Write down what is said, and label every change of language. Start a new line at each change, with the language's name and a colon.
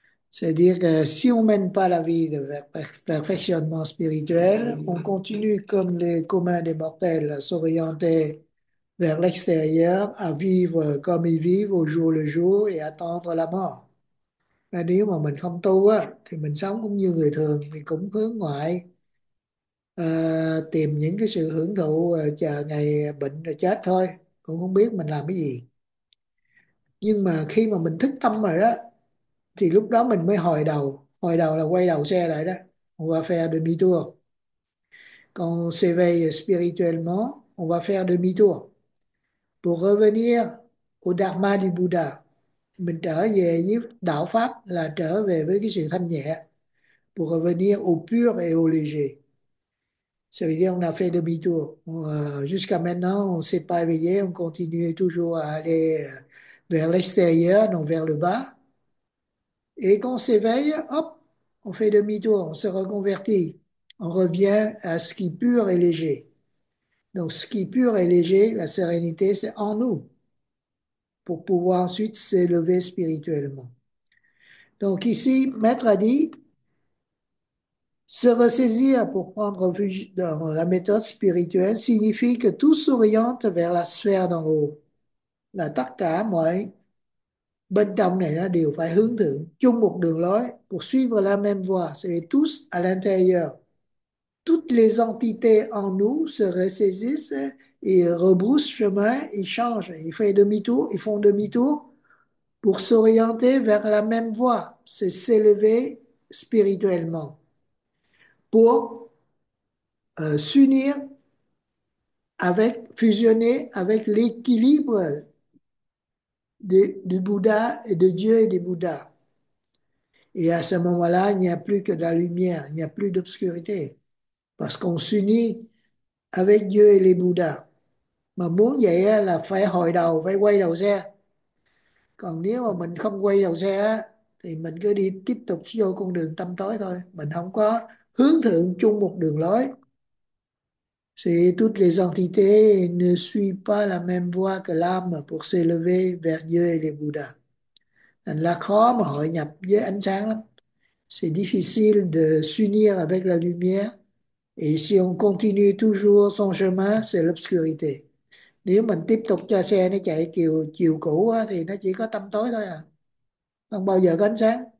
French: C'est-à-dire que si on ne mène pas la vie de perfectionnement spirituel, on continue comme les communs des mortels à s'orienter vers l'extérieur, à vivre comme ils vivent au jour le jour et attendre la mort.
Vietnamese: Mais nếu mà mình không tu á, thì mình sống cũng như người thường, thì cũng hướng ngoại. Tìm những cái sự hưởng thụ, chờ ngày bệnh rồi chết thôi, cũng không biết mình làm cái gì. Nhưng mà khi mà mình thức tâm rồi đó thì lúc đó mình mới hồi đầu là quay đầu xe lại đó,
French: on va faire demi-tour. Quand on s'éveille spirituellement, on va faire demi-tour. Pour revenir au dharma du Bouddha,
Vietnamese: mình trở về với đạo pháp là trở về với cái sự thanh nhẹ.
French: Pour revenir au pur et au léger. Ça veut dire on a fait demi-tour. Jusqu'à maintenant, on s'est pas éveillé, on continue toujours à aller vers l'extérieur, donc vers le bas. Et quand on s'éveille, hop, on fait demi-tour, on se reconvertit. On revient à ce qui est pur et léger. Donc ce qui est pur et léger, la sérénité, c'est en nous, pour pouvoir ensuite s'élever spirituellement. Donc ici, Maître a dit, se ressaisir pour prendre refuge dans la méthode spirituelle signifie que tout s'oriente vers la sphère d'en haut.
Vietnamese: Là tất cả mọi bên trong này nó đều phải hướng thượng chung một đường lối
French: pour suivre la même voie, c'est tous à l'intérieur. Toutes les entités en nous se ressaisissent et rebroussent chemin, ils changent, ils font demi-tour, ils font demi-tour pour s'orienter vers la même voie, c'est s'élever spirituellement. Pour s'unir avec, fusionner avec l'équilibre du Bouddha et de Dieu et des Bouddhas. Et à ce moment-là, il n'y a plus que de la lumière, il n'y a plus d'obscurité, parce qu'on s'unit avec Dieu et les Bouddhas.
Vietnamese: Mais muốn vậy là phải hồi đầu, phải quay đầu xe. Còn nếu mà mình không quay đầu xe, thì mình cứ đi tiếp tục vô con đường tăm tối thôi, mình không có hướng thượng chung một đường lối.
French: C'est toutes les entités ne suivent pas la même voie que l'âme pour s'élever vers Dieu et les Bouddhas.
Vietnamese: Thành là khó mà hội nhập với ánh sáng lắm.
French: C'est difficile de s'unir avec la lumière. Et si on continue toujours son chemin, c'est l'obscurité.
Vietnamese: Nếu mình tiếp tục cho xe nó chạy chiều cũ á, thì nó chỉ có tăm tối thôi à. Không bao giờ có ánh sáng.